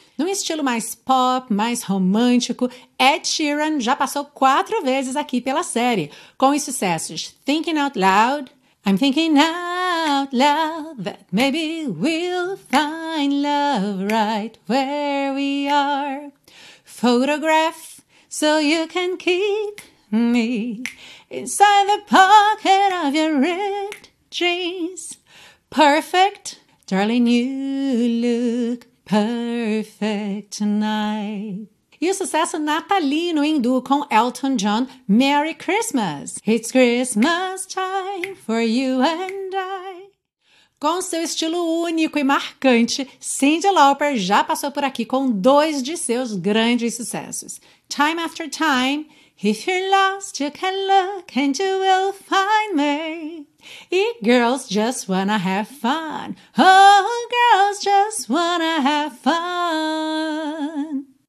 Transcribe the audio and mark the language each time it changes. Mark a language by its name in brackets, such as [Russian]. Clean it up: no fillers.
[Portuguese] Num estilo mais pop, mais romântico, Ed Sheeran já passou 4 vezes aqui pela série, com os sucessos Thinking Out Loud, [English] I'm thinking out loud that maybe we'll find love right where we are. Photograph so you can keep me inside the pocket of your ripped jeans. Perfect, darling, you look perfect tonight. [Portuguese] E o sucesso natalino hindu com Elton John, Merry Christmas. [English] It's Christmas time for you and I. [Portuguese] Com seu estilo único e marcante, Cyndi Lauper já passou por aqui com 2 de seus grandes sucessos. [English] Time After Time, If You're Lost, You Can Look and You Will Find Me. E Girls Just Wanna Have Fun. Oh, Girls Just Wanna Have Fun.